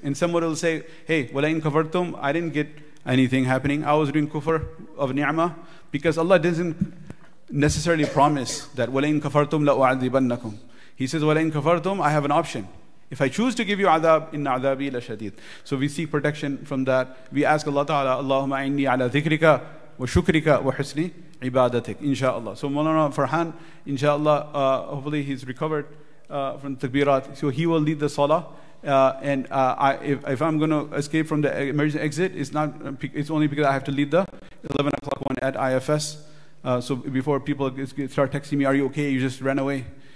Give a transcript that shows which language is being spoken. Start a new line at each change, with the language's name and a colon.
English: And someone will say, hey, wala'in kafartum, I didn't get anything happening. I was doing kufr of ni'mah because Allah doesn't necessarily promise that
Arabic: wala'in kafartum la'u'adhibannakum.
English: He says,
Arabic: وَلَئِن كَفَرْتُمْ,
English: I have an option. If I choose to give you عَذَابِ,
Arabic: إِنَّ عَذَابِي لَشَدِيدٍ.
English: So we seek protection from that. We ask Allah Ta'ala,
Arabic: اللَّهُمَّ عِنِّي عَلَى ذِكْرِكَ وَشُكْرِكَ وَحُسْنِ عِبَادَتِكَ.
English: InshaAllah. So Mawlana Farhan, inshaAllah, hopefully he's recovered from the takbirat. So he will lead the salah. And if I'm going to escape from the emergency exit, it's only because I have to lead the 11 o'clock one at IFS. So before people start texting me, are you okay? You just ran away.